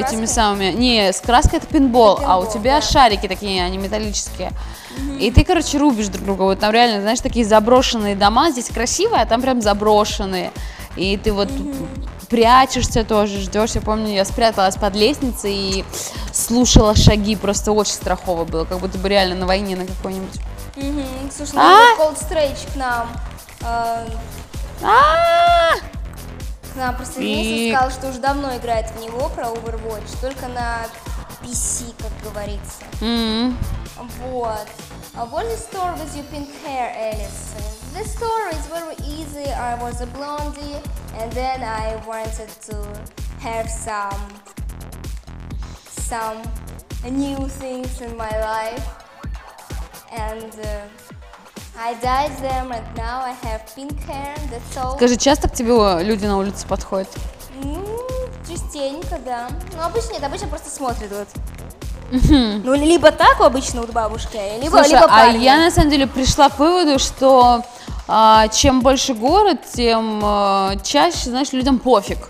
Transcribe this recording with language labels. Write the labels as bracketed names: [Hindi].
[Russian] Этими самыми, не, с краской это пинбол, а у тебя шарики такие, они металлические, и ты, короче, рубишь друг друга, вот там реально, знаешь, такие заброшенные дома, здесь красивые, а там прям заброшенные, и ты вот прячешься тоже, ждешь, я помню, я спряталась под лестницей и слушала шаги, просто очень страхово было, как будто бы реально на войне на какой-нибудь. Слушай, надо Cold Stretch к нам. К нам присоединился, сказал, что уже давно играет в него, про Overwatch, только на PC, как говорится. Вот. [English] What is the story with your pink hair, Alice? The story is very easy. I was a blondie, and then I wanted to have some new things in my life. And I dyed them, and now I have pink hair. That's all. [Russian] Скажи, часто к тебе люди на улице подходят? Частенько, да. Ну, обычно нет, обычно просто смотрят вот. Ну, либо так обычно у бабушки, либо, слушай, либо парни. А я на самом деле пришла к выводу, что чем больше город, тем чаще, знаешь, людям пофиг.